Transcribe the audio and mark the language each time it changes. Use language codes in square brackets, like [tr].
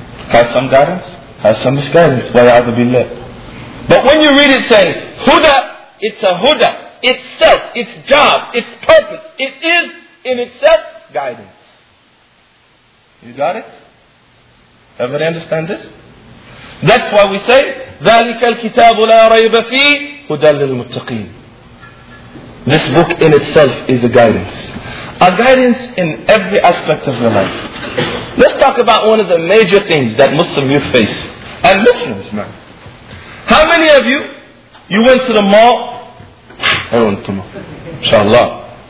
[en] Has some guidance, has some misguidance. [ar] وَيَعْضُ بِاللَّهِ. [en] But when you read it saying, huda, it's a huda itself, its job, its purpose, it is in itself guidance. You got it? Everybody understand this? That's why we say, [ar] ذَلِكَ الْكِتَابُ لَا رَيْبَ فِيهِ هُدًى لِلْمُتَّقِينَ. [en] This book in itself is a guidance. A guidance in every aspect of your life. Let's talk about one of the major things that Muslim youth face. And Muslims, man. How many of you, you went to the mall? Everyone to the mall. Inshallah.